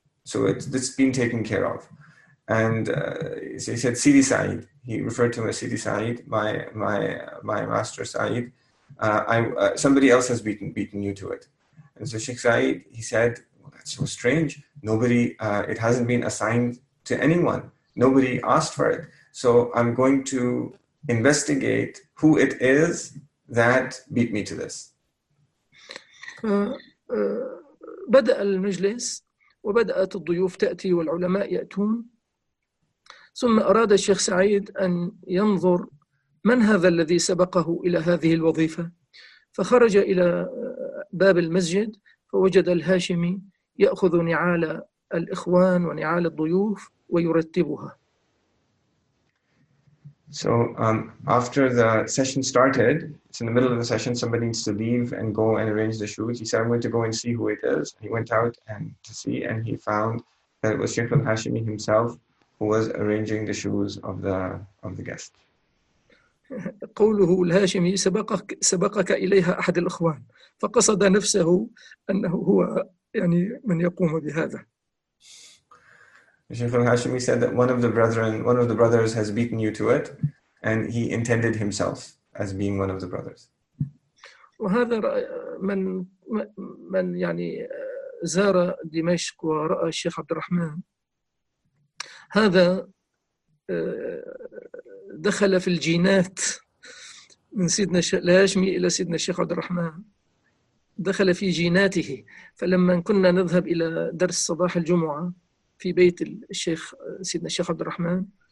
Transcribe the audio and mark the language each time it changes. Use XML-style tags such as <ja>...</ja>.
<en>So it's been taken care of. And so he said, Sidi Saeed, he referred to him as Sidi Saeed, my master Saeed, somebody else has beaten you to it. And so Sheikh Saeed, he said, well, that's so strange. Nobody, it hasn't been assigned to anyone. Nobody asked for it. So I'm going to investigate who it is that beat me to this.</en> <ar>بدأ المجلس وبدأت الضيوف تأتي والعلماء يأتون، ثم أراد الشيخ سعيد أن ينظر من هذا الذي سبقه إلى هذه الوظيفة. فخرج إلى باب المسجد فوجد الهاشمي يأخذ نعال الإخوان ونعال الضيوف ويرتبها.</ar> <en>So after the session started, it's in the middle of the session, somebody needs to leave and go and arrange the shoes. He said, I'm going to go and see who it is. He went out and to see, and he found that it was Sheikh al-Hashimi himself who was arranging the shoes of the guest.</en> <ar>قوله الهاشمي سبقك إليها أحد الأخوان، فقصد نفسه أنه هو يعني من يقوم بهذا.</ar> <en>Shaykh al-Hashimi said that one of the brethren, one of the brothers has beaten you to it, and he intended himself as being one of the brothers.</en> <ar>وهذا من من يعني زار دمشق ورأى الشيخ عبد الرحمن هذا دخل في الجينات من سيدنا الهاشمي إلى سيدنا الشيخ عبد الرحمن دخل في جيناته فلما كنا نذهب إلى درس صباح الجمعة في بيت الشيخ سيدنا الشيخ عبد الرحمن</ar>